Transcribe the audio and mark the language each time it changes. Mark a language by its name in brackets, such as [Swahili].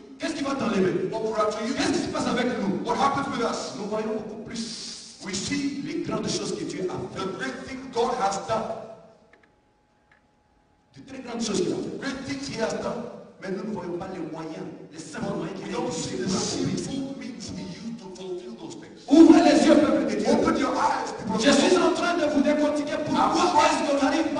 [French] Qu'est-ce qui va t'enlever? [English] What will rapture you? [French] Qu'est-ce qui se passe avec nous? [English] What happens with us? [French] Nous voyons beaucoup plus. [English] We see [French] les grandes choses que Dieu a fait. [English] The great thing God has done. [French] De très grandes choses qu'il a fait. [English] Great things he has done. [French] Mais nous ne voyons pas les moyens, les simples moyens qu'il a. [English] We don't see the simple means we use to fulfill those things. [French] Ouvrez les yeux, peuple de Dieu. [English] Open your eyes, people. [French] Je suis en train de vous décortiquer pourquoi est-ce qu'on n'arrive pas